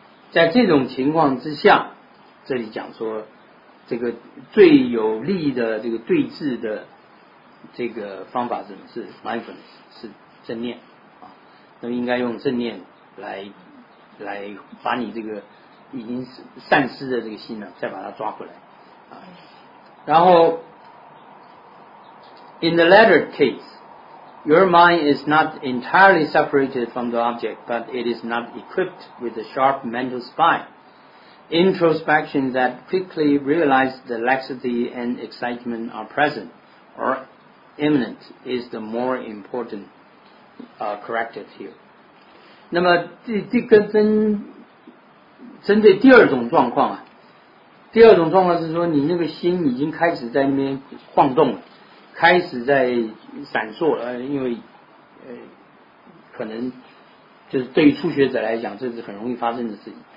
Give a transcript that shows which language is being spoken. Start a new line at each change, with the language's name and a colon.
Chinese: 在这种情况之下，这里讲说这个最有利的这个对治的这个方法是什么？是 mindfulness， 是正念啊。那么应该用正念来把你这个已经散失的这个心呢，再把它抓回来啊。然后
English: ，in the latter case， your mind is not entirely separated from the object， but it is not equipped with a sharp mental spine。 Introspection that quickly realizes the laxity and excitement are present or imminent is the more important corrective here.
Chinese: 那么这个针对第二种状况啊，第二种状况是说你那个心已经开始在那边晃动了，开始在闪烁了，因为可能就是对于初学者来讲，这是很容易发生的事情。